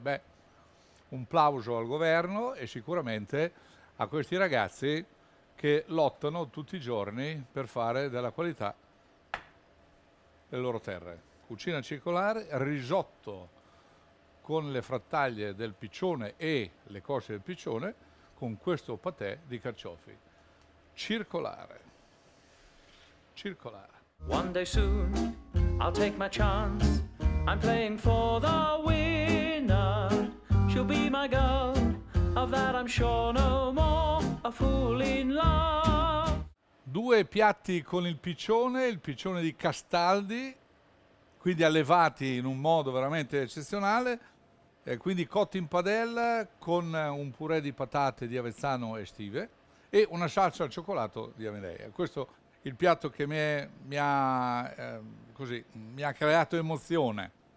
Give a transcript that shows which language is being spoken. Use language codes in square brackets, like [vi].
[it] Beh, un plauso al governo e sicuramente a questi ragazzi che lottano tutti i giorni per fare della qualità le loro terre. Cucina circolare, risotto con le frattaglie del piccione e le cosce del piccione, con questo patè di carciofi. Circolare. Circolare. [en] One day soon, I'll take my chance. I'm playing for the winner. She'll be my girl. Of that I'm sure no more, a fool in love. [it] Due piatti con il piccione di Castaldi, quindi allevati in un modo veramente eccezionale, quindi cotti in padella con un purè di patate di Avezzano estive e una salsa al cioccolato di Amedeia. Questo è il piatto che mi ha creato emozione.